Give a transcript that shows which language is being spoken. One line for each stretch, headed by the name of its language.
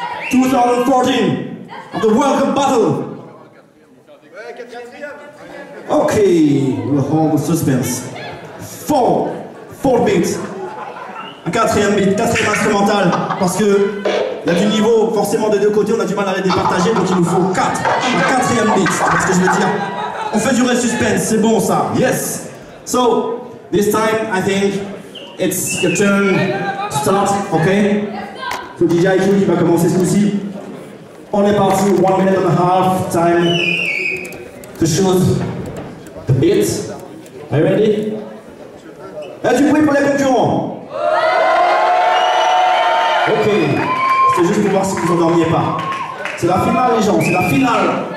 English: 2014 of the World Cup Battle. Okay, we'll hold the suspense. Four beats.
French: Un quatrième beat, quatrième instrumental. Parce que il y a du niveau forcément des deux côtés, on a du mal à les départager, donc il nous faut quatre. Un quatrième beat, c'est ce que je veux dire. On fait durer le suspense, c'est bon ça.
English: Yes. So, this time I think it's your turn to start, okay?
French: C'est DJ IQ qui va commencer ce coup-ci. On est parti, 1.5 minutes,
English: time to shoot the beat. Are you ready?
French: Est-ce du bruit pour les concurrents? Ok, c'est juste pour voir si vous endormiez pas. C'est la finale les gens, c'est la finale.